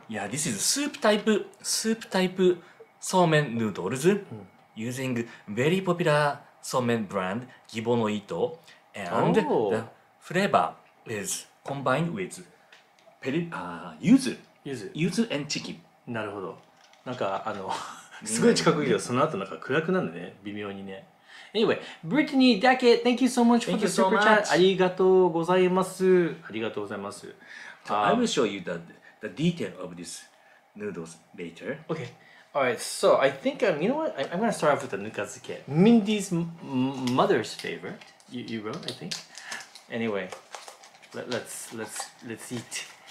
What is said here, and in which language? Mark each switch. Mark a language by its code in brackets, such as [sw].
[en] Yeah, this is soup type somen noodles using very popular somen brand Gibonoito. And the flavor is combined with yuzu and chicken. [ja] なるほど。なんかあのすごい近くにいる。その後なんか暗くなるね。微妙にね。 [en] Anyway, Brittany Dackett, thank you so much for the super chat. [ja] ありがとうございます。ありがとうございます。 [en] I will show you the detail of this noodles later. Okay. All right. So I think you know what? I'm gonna start off with the nukazuke. Mindy's mother's favorite. You wrote, I think. Anyway, let's eat.